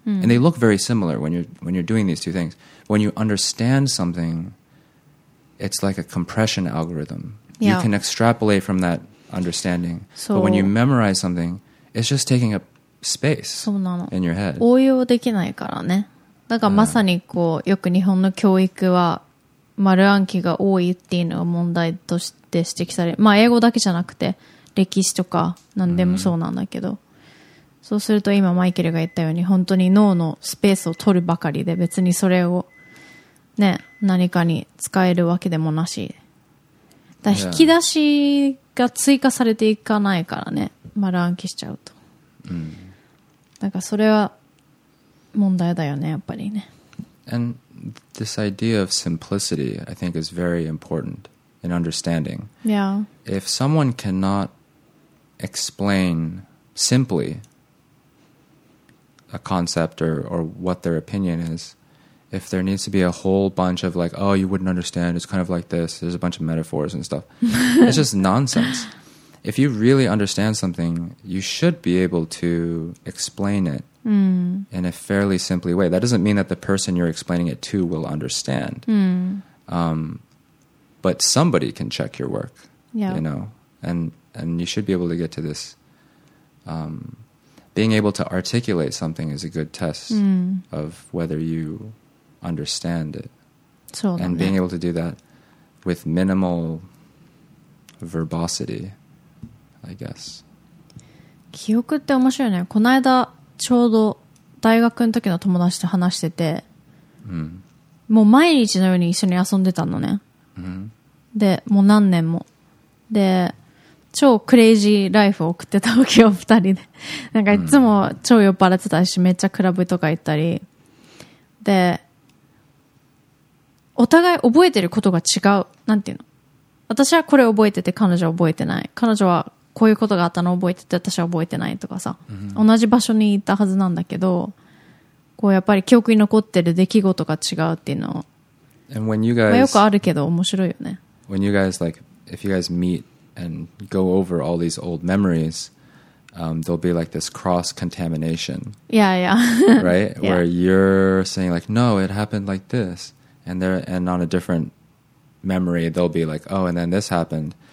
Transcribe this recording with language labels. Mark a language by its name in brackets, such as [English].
[English] And they look very similar when you're doing these two things. When you understand something, it's like a compression algorithm. You can extrapolate from that understanding. But when you memorize something, it's just taking up space in your head. [Japanese] 応用できないからね。だからまさにこう、よく日本の教育は丸暗記が多いっていうのが問題として指摘され、まあ英語だけじゃなくて歴史とか何でもそうなんだけど、そうすると今マイケルが言ったように本当に脳のスペースを取るばかりで別にそれをね、何かに使えるわけでもなし。だ引き出しが追加されていかないからね、丸暗記しちゃうと。だからそれは問題だよね、やっぱりね。 [English] And this idea of simplicity, I think, is very important in understanding. Yeah. If someone cannot explain simply a concept or what their opinion is, if there needs to be a whole bunch of like, oh, you wouldn't understand, it's kind of like this, there's a bunch of metaphors and stuff, it's just nonsense. If you really understand something, you should be able to explain it in a fairly simply way. That doesn't mean that the person you're explaining it to will understand. But somebody can check your work, you know. And you should be able to get to this. Being able to articulate something is a good test of whether you understand it. So and being able to do that with minimal verbosity, I guess. [Japanese] 記憶って面白いね。この間ちょうど大学の時の友達と話してて、もう毎日のように一緒に遊んでたのね。で、もう何年も。で、超クレイジーライフを送ってたわけよ、二人で。なんかいつも超酔っ払ってたし、めっちゃクラブとか行ったり。で、お互い覚えてることが違う。なんていうの？私はこれ覚えてて、彼女は覚えてない。彼女はこういうことがあったのを覚えてて、私は覚えてないとかさ、同じ場所に行ったはずなんだけど、こうやっぱり記憶に残ってる出来事が違うっていうの [English] を、And when you guys, [Japanese] まあ、よくあるけど面白いよね。 [English] When you guys like, if you guys meet and go over all these old memories, there'll be like this cross contamination. Yeah, yeah. Right, where you're saying like, no, it happened like this, and there, and on a different memory, they'll be like, oh, and then this happened.